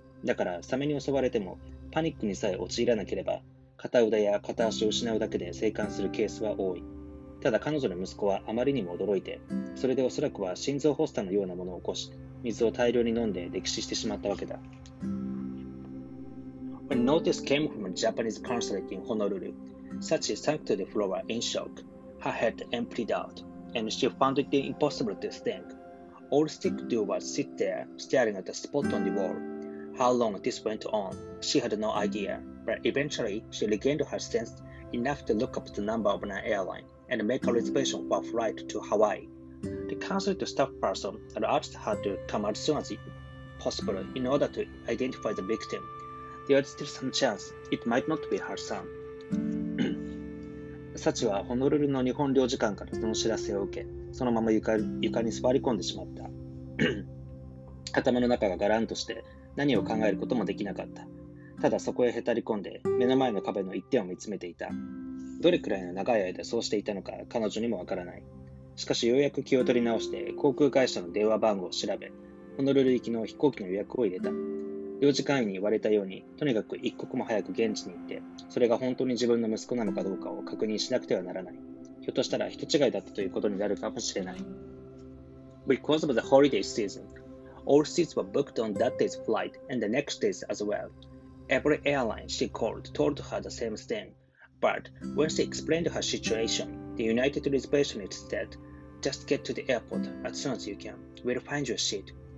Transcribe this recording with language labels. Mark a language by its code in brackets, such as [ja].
[ja] だからサメに襲われてもパニックにさえ陥らなければ片腕や片足を失うだけで生還するケースは多い。ただ彼女の息子はあまりにも驚いて、それでおそらくは心臓発作のようなものを起こし、水を大量に飲んで溺死してしまったわけだ。 [en] When notice came from a Japanese consulate in Honolulu, Sachi sank to the floor in shock. Her head emptied out, and she found it impossible to think. All she could do was sit there, staring at the spot on the wall. How long this went on, she had no idea, but eventually she regained her sense enough to look up the number of an airline and make a reservation for a flight to Hawaii. The consulate staff person had asked her to come as soon as possible in order to identify the victim. There is still some chance. It might not be her son. [ja] Sachi はホノルルの日本領事館からその知らせを受け、そのまま床に座り込んでしまった。頭の中がガランとして、何を考えることもできなかった。ただそこへへたり込んで、目の前の壁の一点を見つめていた。どれくらいの長い間そうしていたのか、彼女にもわからない。しかしようやく気を取り直して、航空会社の電話番号を調べ、ホノルル行きの飛行機の予約を入れた。領事館員に言われたように、とにかく一刻も早く現地に行って、それが本当に自分の息子なのかどうかを確認しなくてはならない。ひょっとしたら人違いだったということになるかもしれない。 [en] Because of the holiday season, all seats were booked on that day's flight and the next day's as well. Every airline she called told her the same thing. But when she explained her situation, the United Reservationist said, Just get to the airport as soon as you can. We'll find your seat.